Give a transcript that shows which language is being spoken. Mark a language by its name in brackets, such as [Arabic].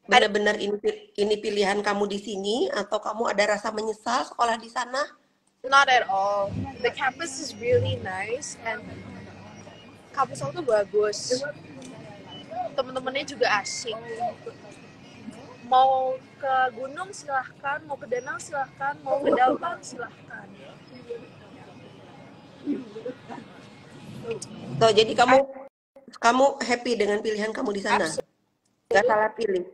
[Indonesian] Benar-benar ini pilihan kamu di sini atau kamu ada rasa menyesal sekolah di sana? [English] Not at all. The campus is really nice and [Indonesian] kampus aku tuh bagus. Temen-temennya juga asik. Mau ke gunung silahkan, mau ke danau silahkan, mau ke dalbang silahkan. So, jadi kamu happy dengan pilihan kamu di sana? Enggak salah pilih.